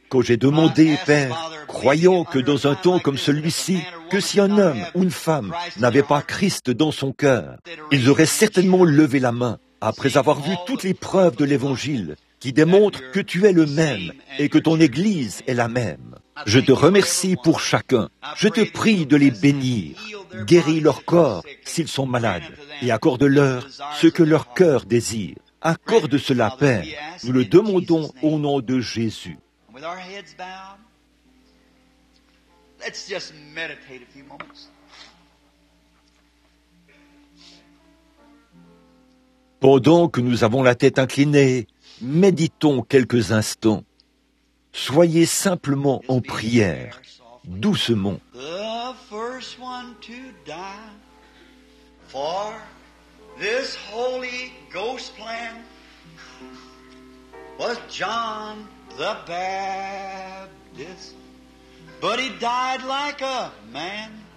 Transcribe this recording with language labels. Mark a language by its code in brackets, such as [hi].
[fr] Quand j'ai demandé, Père, croyant que dans un temps comme celui-ci, que si un homme ou une femme n'avait pas Christ dans son cœur, ils auraient certainement levé la main après avoir vu toutes les preuves de l'Évangile qui démontrent que tu es le même et que ton Église est la même. Je te remercie pour chacun. Je te prie de les bénir. Guéris leur corps s'ils sont malades et accorde-leur ce que leur cœur désire. Accorde cela, Père. Nous le demandons au nom de Jésus. [en] With our heads bowed, let's just meditate a few moments. [fr] Pendant que nous avons la tête inclinée, méditons quelques instants. Soyez simplement en prière, doucement. [en] The first one to die for this Holy Ghost plan was John the Baptist, but he died like a man.